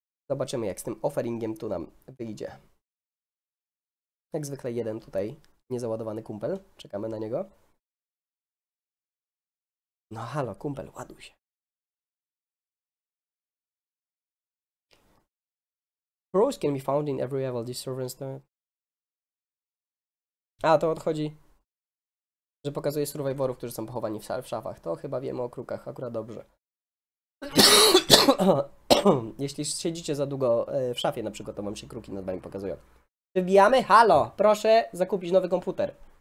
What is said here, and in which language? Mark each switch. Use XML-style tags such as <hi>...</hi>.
<pl>Zobaczymy, jak z tym offeringiem tu nam wyjdzie. Jak zwykle jeden tutaj niezaładowany kumpel. Czekamy na niego. No halo, kumpel, ładuj się.</pl> <en>Pros can be found in every level, this servant's the...</en> <pl>A, to odchodzi, że pokazuje survivorów, którzy są pochowani w szafach. To chyba wiemy o krukach akurat dobrze. Jeśli siedzicie za długo w szafie na przykład, to wam się kruki nad wami pokazują. Wybijamy? Halo! Proszę zakupić nowy komputer.</pl>